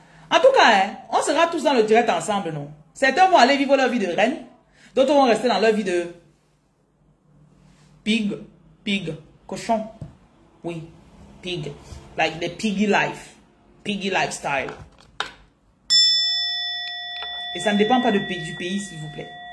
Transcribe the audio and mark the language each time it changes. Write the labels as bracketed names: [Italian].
[French] En tout cas, hein, on sera tous dans le direct ensemble, non? Certains vont aller vivre leur vie de reine, d'autres vont rester dans leur vie de pig, cochon. Oui. [English] Pig, like the piggy lifestyle. [French] Et ça ne dépend pas du pays, s'il vous plaît.